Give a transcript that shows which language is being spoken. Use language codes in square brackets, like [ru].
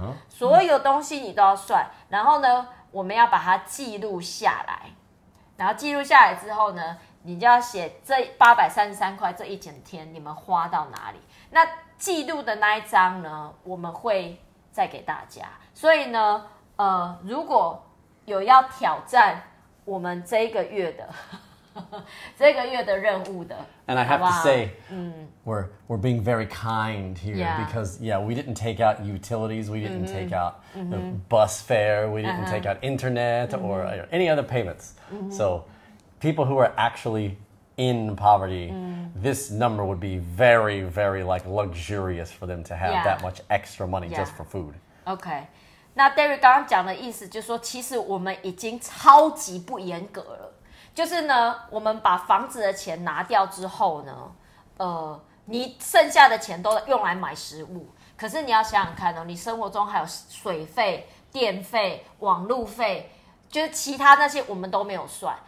[zh] 所有东西你都要算，然后呢，我们要把它记录下来，然后记录下来之后呢，你就要写这833块这一整天你们花到哪里。那记录的那一张呢，我们会再给大家。所以呢，如果有要挑战我们这个月的这个月的任务的。 [en] And I have to say, we're being very kind here, because yeah, we didn't take out utilities, we didn't take out the bus fare, we didn't take out internet or any other payments. So people who are actually in poverty, this number would be very, very like luxurious for them to have that much extra money just for food. Okay. [zh] 那 Derry 刚刚讲的意思就是说，其实我们已经超级不严格了。就是呢，我们把房子的钱拿掉之后呢，你剩下的钱都用来买食物。可是你要想想看哦，你生活中还有水费、电费、网路费，就是其他那些我们都没有算。